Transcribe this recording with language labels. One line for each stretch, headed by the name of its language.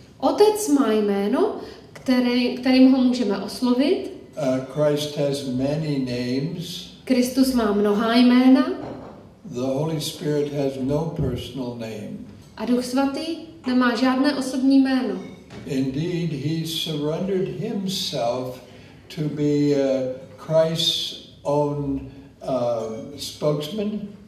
Czech: Otec má jméno, kterým ho můžeme oslovit.
English: Christ has many names.
Czech: Kristus má mnohá jména.
English: The Holy Spirit has no personal name.
Czech: A Duch svatý nemá žádné osobní jméno.
English: Indeed, he surrendered himself to be Christ's own spokesman.